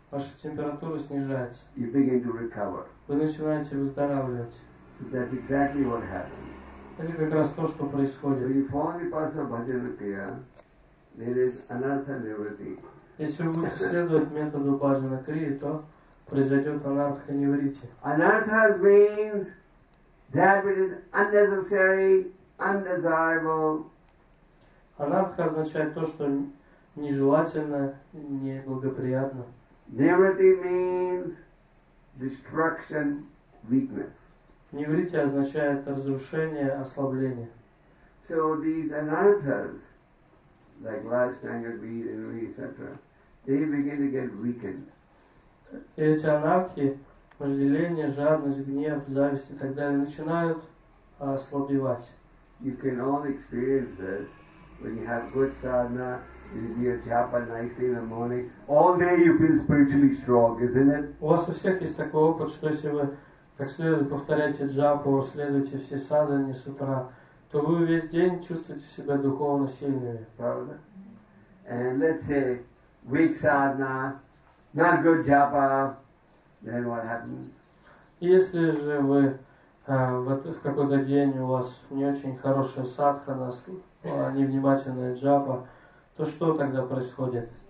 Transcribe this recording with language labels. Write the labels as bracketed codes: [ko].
[ru] Ваша температура снижается. [en] You begin to recover. [ru] Вы начинаете выздоравливать. [en] So that's exactly what happens. [ru] Это как раз то, что происходит. [en] When you follow the path of Bhajana Kriya, there is anartha nivritti. [ru] Если вы будете следовать методу Bhajana Kriya, то произойдет анартха нивритти. [en] Anartha means that which is unnecessary, undesirable. [ru] Anartha означает то, что нежелательно, неблагоприятно. [en] Nivritti means destruction, weakness. [ru] Nivritti означает разрушение, ослабление. [en] So these anarthas, like last tanger bead, etc., they begin to get weakened. [ru] Эти анархи, вожделение, жадность, гнев, зависть и так далее, начинают ослабевать. [en] You can all experience this when you have good sadhana. You do japa nicely in the morning. All day you feel spiritually strong, isn't it? [ru] У вас у всех есть такой опыт, что если вы как следует повторяете джапу, следуете все садхане с утра, то вы весь день чувствуете себя духовно сильными. Правда? [en] And let's say weak sadhana, not good japa, then what happens? [ru] Если же вы в какой-то день у вас не очень хорошая садхана, невнимательная джапа, то что тогда происходит?